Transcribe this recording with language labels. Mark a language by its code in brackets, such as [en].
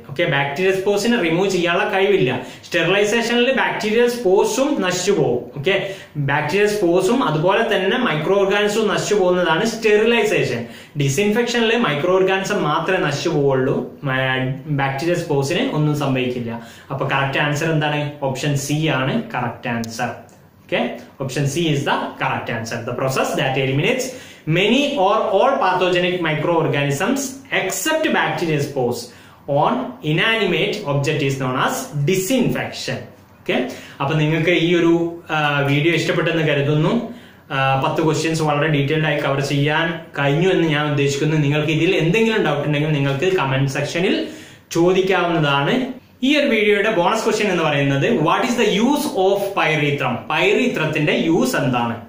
[ml] Okay, bacterial സ്പോർസിനെ remove ചെയ്യാനുള്ള കഴിവില്ല. സ്റ്റെറിലൈസേഷനിൽ bacterial സ്പോർസും നശിച്ചു പോകും. ഓക്കെ, ബാക്ടീരിയൽ സ്പോർസും അതുപോലെ തന്നെ മൈക്രോ ഓർഗാനിസവും നശിച്ചു പോകുന്നതാണ് സ്റ്റെറിലൈസേഷൻ. ഡിസ്ഇൻഫെക്ഷനിൽ മൈക്രോ ഓർഗാനിസം മാത്രമേ നശിച്ചു പോവുള്ളൂ, ബാക്ടീരിയൽ സ്പോർസിന് ഒന്നും സംഭവിക്കില്ല. അപ്പൊ കറക്റ്റ് ആൻസർ എന്താണ്? ഓപ്ഷൻ സി ആണ് correct answer. [en] Okay, option C is the correct answer. The process that eliminates many or all pathogenic microorganisms except bacterial spores on inanimate object is known as disinfection. [ml] Okay, appo ningalku ee oru video ishtapettennu karuthunnu. 10 questions വളരെ detailed ആയി cover ചെയ്യാൻ കഴിഞ്ഞു എന്ന് ഞാൻ ഉദ്ദേശിക്കുന്നു. നിങ്ങൾക്ക് ഇതിൽ എന്തെങ്കിലും ഡൗട്ട് ഉണ്ടെങ്കിൽ നിങ്ങൾക്ക് കമന്റ് സെക്ഷനിൽ ചോദിക്കാവുന്നതാണ്. ഈ ഒരു വീഡിയോയുടെ ബോണസ് ക്വസ്റ്റ്യൻ എന്ന് പറയുന്നത് [en] what is the use of pyrethrum, [ml] പൈറീത്രത്തിന്റെ use എന്താണ്?